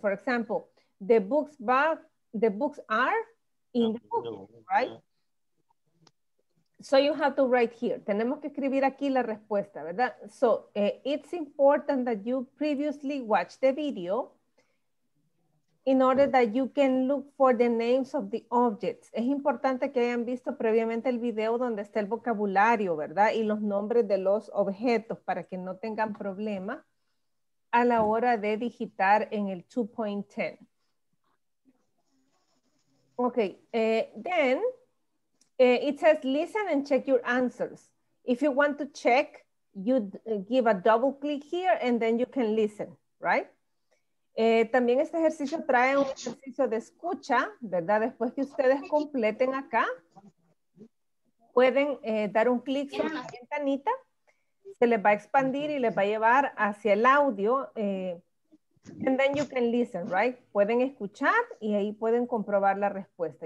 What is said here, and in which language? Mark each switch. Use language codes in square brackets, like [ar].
[en] For example, the books bag, the books are, in the book, right? So you have to write here. [es] Tenemos que escribir aquí la respuesta, ¿verdad? [en] So it's important that you previously watch the video in order that you can look for the names of the objects. [es] Es importante que hayan visto previamente el video donde está el vocabulario, ¿verdad? Y los nombres de los objetos para que no tengan problema a la hora de digitar en el 2.10. [en] Okay, then it says, listen and check your answers. If you want to check, you give a double click here and then you can listen, right? [es] También este ejercicio trae un ejercicio de escucha, ¿verdad? Después que ustedes completen acá, pueden dar un clic sobre la ventanita, se les va a expandir y les va a llevar hacia el audio. [en] And then you can listen, right? [es] Pueden escuchar y ahí pueden comprobar la respuesta.